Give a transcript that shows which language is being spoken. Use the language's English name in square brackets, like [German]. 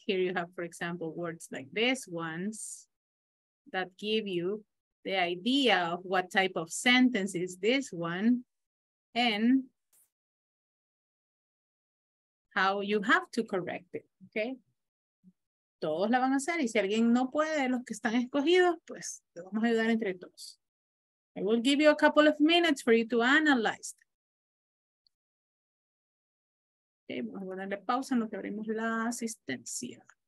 [English] Here you have, for example, words like this ones that give you the idea of what type of sentence is this one and how you have to correct it, okay? [Spanish] Todos la van a hacer y si alguien no puede, los que están escogidos, pues te vamos a ayudar entre todos. [English] I will give you a couple of minutes for you to analyze. [Spanish] Okay, vamos a darle pausa en lo que abrimos la asistencia.